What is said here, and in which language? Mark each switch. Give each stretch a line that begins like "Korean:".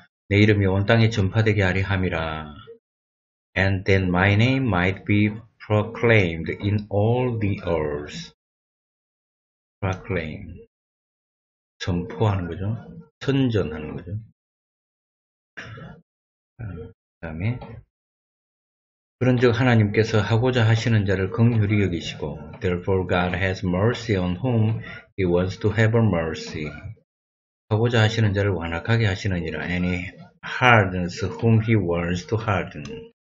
Korean: 내 이름이 온 땅에 전파되게 하리함이라.
English: And then my name might be proclaimed in all the earth.
Korean: Proclaim. 선포하는 거죠. 선전하는 거죠. 그 다음에 그런즉 하나님께서 하고자 하시는 자를 긍휼히 여기시고
English: Therefore God has mercy on whom he wants to have mercy.
Korean: 하고자 하시는 자를 완악하게 하시느니라.
English: And he hardens whom he wants to harden.